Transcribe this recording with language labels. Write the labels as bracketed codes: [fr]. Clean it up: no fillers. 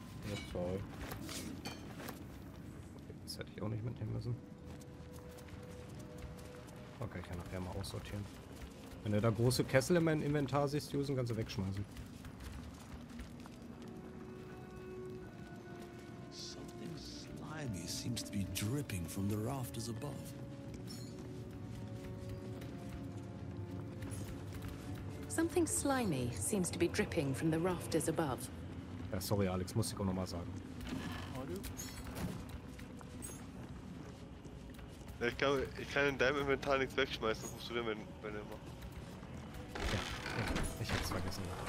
[de] Ja, toll. Das hätte ich auch nicht mitnehmen müssen. Okay, ich kann nachher mal aussortieren. Wenn du da große Kessel in meinem Inventar siehst, Jusen, kannst du wegschmeißen. [en] Something slimy seems to be dripping from the rafters above. Something slimy seems to be dripping from the rafters above. [de] Ja, sorry Alex, muss ich auch nochmal sagen. Ich kann in deinem Inventar nichts wegschmeißen, rufst du dir wenn du immer. Ich hab's vergessen.